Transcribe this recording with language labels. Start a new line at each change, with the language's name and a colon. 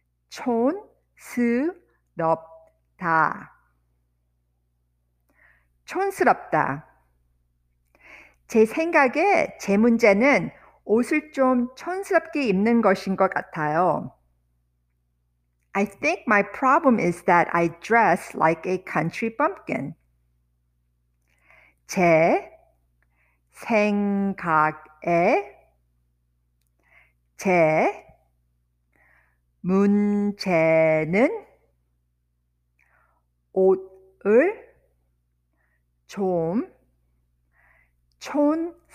Korean: 촌스럽다. 촌스럽다. 제 생각에 제 문제는 옷을 좀 촌스럽게 입는 것인 것 같아요.
English: I think my problem is that I dress like a country bumpkin.
Korean: 제 생각에 제 문제는 옷을 좀 촌스럽게